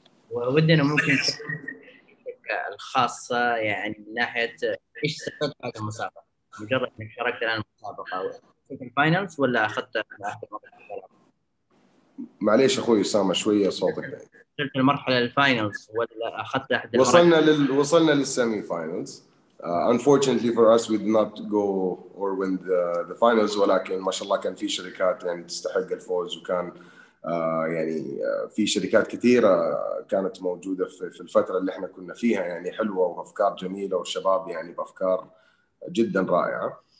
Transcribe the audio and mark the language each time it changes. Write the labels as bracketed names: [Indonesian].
[Arabic] ودنا ممكن الخاصة يعني من ناحية إيش استفدت من المسابقة؟ مجرد إنك شاركت الآن المسابقة أو فاينلز ولا أخذت المرحلة؟ معليش أخوي أسامة شوية صوتك. شفت المرحلة الفاينلز ولا أخذت أحد؟ وصلنا للسيمي فاينلز. [English] Unfortunately for us, we did not go or win the finals. [Arabic] ولكن ما شاء الله كان في شركات يعني تستحق الفوز، وكان يعني في شركات كثيرة كانت موجودة في الفترة اللي احنا كنا فيها يعني حلوة وأفكار جميلة والشباب يعني بأفكار جدا رائعة.